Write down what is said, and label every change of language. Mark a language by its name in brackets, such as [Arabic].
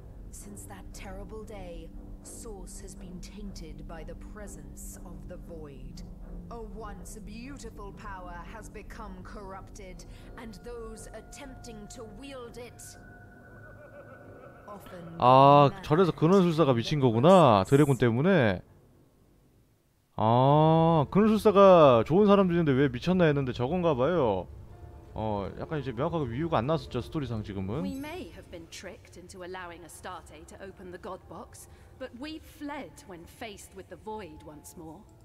[English] Since that terrible day, Source has been tainted by the presence of the void. A once beautiful power has become corrupted, and those attempting to wield it often. [Korean] 아, 저래서 근원술사가 미친 거구나. 드래곤 때문에. 아, 근원술사가 좋은 사람들인데 왜 미쳤나 했는데 저건가 봐요. 어, 약간 이제 명확하게 이유가 안 나왔었죠, 스토리상 지금은. [English] We may have been tricked into allowing Astarte to open the god box, but we fled when faced with the void once more.